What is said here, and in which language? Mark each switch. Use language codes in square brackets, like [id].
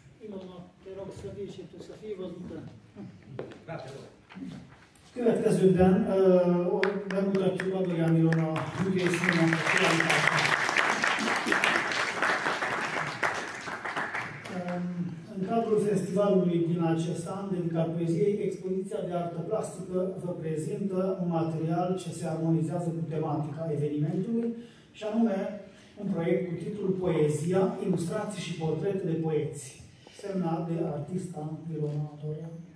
[ro] Ilona, te rog să vii și tu să fii văzută. Da, te rog. [hu] Következőben bemutatjuk Adrián Ilona a Hügyész Simon a kiállítását. [ro] În cadrul festivalului din acest an, dedicat poeziei, expoziția de artă plastică vă prezintă un material ce se armonizează cu tematica evenimentului, și anume un proiect cu titlul Poezia, ilustrații și portrete de poeți, semnat de artista Ilona Toia.